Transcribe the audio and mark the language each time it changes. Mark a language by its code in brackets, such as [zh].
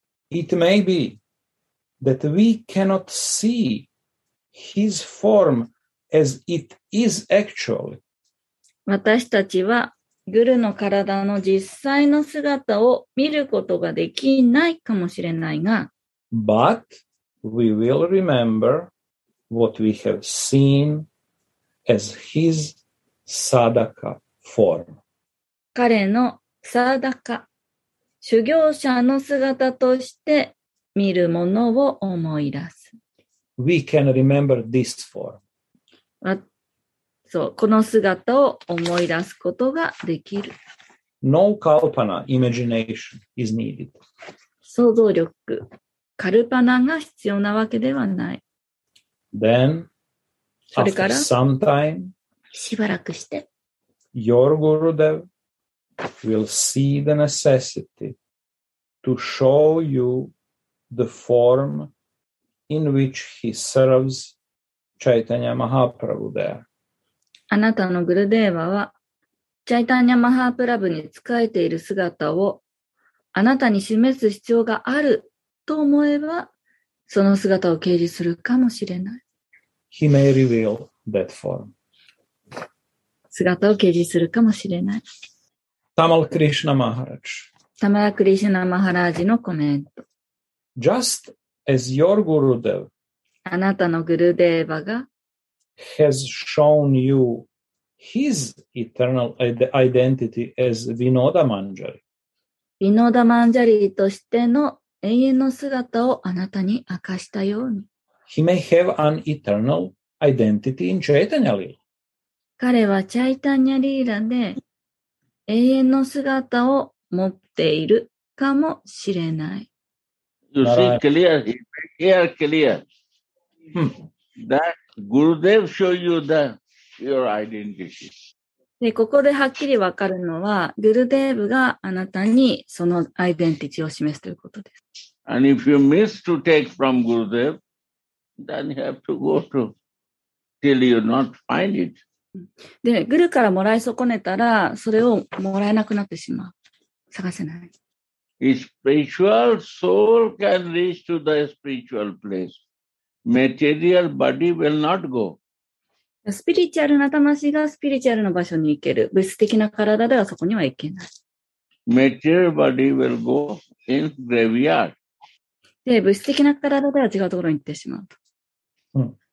[en] It may be that we cannot see his form as it is actually. [ja] 私たちはグルの体の実際の姿を見ることができないかもしれないが。 [en] But we will remember what we have seen as his sadaka form. [ja] 彼のサダカ、修行者の姿として見るものを思い出す。 [en] We can remember this form. [ja] そう、この姿を思い出すことができる。 [en] No kalpana, imagination is needed. [ja] 想像力、カルパナが必要なわけではない。 [en] Then, after some time, [ja] しばらくして、 [en] your Gurudev will see the necessity to show you the form in which he serves Chaitanya Mahaprabhu there. [ja] あなたのグルデーバは、チャイタンニャ・マハープラブに仕えている姿を、あなたに示す必要があると思えば、その姿を掲示するかもしれない。 [en] He may reveal that form. [ja] 姿を掲示するかもしれない。 [en] Tamal Krishna Maharaj. [ja] Tamal Krishna Maharaj のコメント。 [en] Just as your Gurudev. [ja] あなたのグルデーバが、 [en] has shown you his eternal identity as Vinoda Manjari. [ja] Vinoda Manjari としての永遠の姿をあなたに明かしたように。 [en] He may have an eternal identity in Chaitanya Lila. [ja] 彼はチャイタニャリーラで永遠の姿を持っているかもしれない。 [en] You see, clear. That Gurudev show you the your identity. [ja] で、ここではっきりわかるのは、グルデーブがあなたにそのアイデンティティを示すということです。 [en] And if you miss to take from Gurudev, then you have to go to till you not find it. [ja] で、グルからもらい損ねたら、それをもらえなくなってしまう。探せない。 [en] A spiritual soul can reach to the spiritual place. Material body will not go. [ja] スピリチュアルな魂がスピリチュアルの場所に行ける。物質的な体ではそこには行けない。 [en] Material body will go in graveyard. [ja] で、物質的な体では違うところに行ってしまうと。